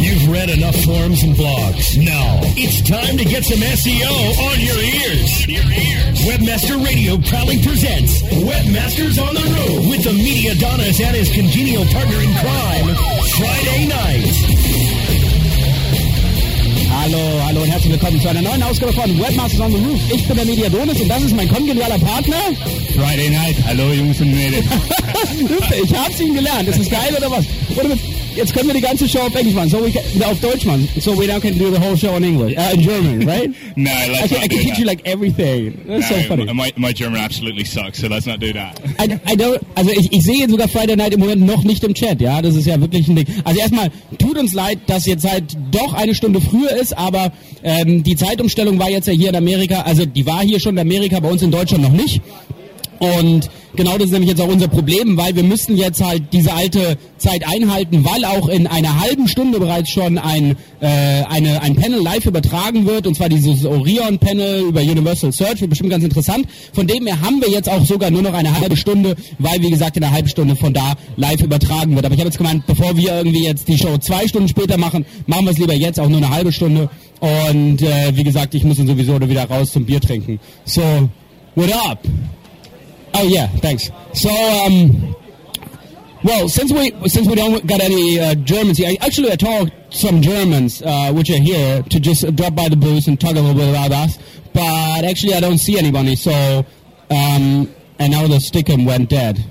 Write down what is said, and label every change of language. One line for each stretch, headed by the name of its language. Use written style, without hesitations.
English: You've read enough forums and blogs. Now, it's time to get some SEO on your ears. Webmaster Radio proudly presents Webmasters on the Roof with the media donnas and his congenial partner in crime, Friday night.
German: Hallo, hallo und herzlich willkommen zu einer neuen Ausgabe von Webmasters on the Roof. Ich bin der Media Donis und das ist mein kongenialer Partner. Friday Night, hallo Jungs und Mädels. Ich hab's ihn gelernt, ist das geil oder was? Jetzt können wir die ganze Show auf Englisch machen,
English: so we can,
German: auf Deutsch machen.
English: So we now can do the whole show in English, in German, right? No, let's not do that. I can teach you like everything. That's so funny. My German absolutely sucks, so let's not do that.
German: Ich sehe jetzt sogar Friday Night im Moment noch nicht im Chat, ja? Das ist ja wirklich ein Ding. Also erstmal, tut uns leid, dass jetzt halt doch eine Stunde früher ist, aber die Zeitumstellung war jetzt ja hier in Amerika, also die war hier schon in Amerika, bei uns in Deutschland noch nicht. Und genau das ist nämlich jetzt auch unser Problem, weil wir müssen jetzt halt diese alte Zeit einhalten, weil auch in einer halben Stunde bereits schon ein Panel live übertragen wird, und zwar dieses Orion-Panel über Universal Search, wird bestimmt ganz interessant. Von dem her haben wir jetzt auch sogar nur noch eine halbe Stunde, weil, wie gesagt, in einer halben Stunde von da live übertragen wird. Aber ich habe jetzt gemeint, bevor wir irgendwie jetzt die Show zwei Stunden später machen, machen wir es lieber jetzt auch nur eine halbe Stunde. Und wie gesagt, ich muss dann sowieso wieder raus zum Bier trinken.
English: So, what up? Oh yeah, thanks. So, since we don't got any Germans here, actually I talked some Germans, which are here, to just drop by the booth and talk a little bit about us, but actually I don't see anybody, so, and now the Stickum went dead.